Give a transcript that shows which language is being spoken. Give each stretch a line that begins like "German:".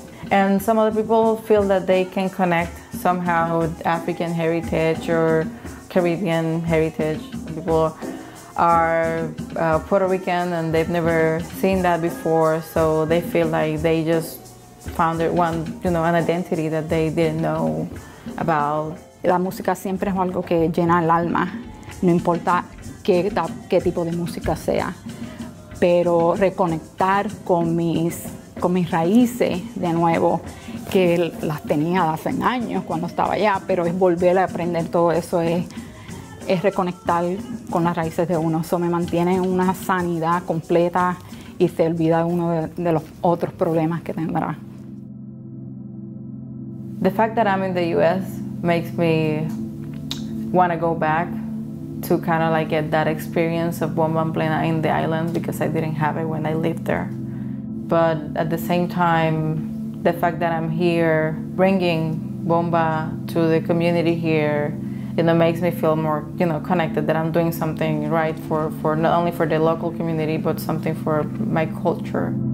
English: And some other people feel that they can connect somehow with African heritage or Caribbean heritage. People are Puerto Rican and they've never seen that before, so they feel like they just found one, you know, an identity that they didn't know about.
Spanish: La música siempre es algo que llena el alma, no importa qué tipo de música sea. Pero reconectar con mis raíces de nuevo, que las tenía hace años cuando estaba allá, pero es volver a aprender todo eso, es reconectar con las raíces de uno. Eso me mantiene una sanidad completa y se olvida uno de los otros problemas que tendrá.
English: The fact that I'm in the US makes me want to go back to kind of like get that experience of bombón plena in the island, because I didn't have it when I lived there. But at the same time, the fact that I'm here bringing bomba to the community here, you know, makes me feel more, you know, connected, that I'm doing something right for not only for the local community, but something for my culture.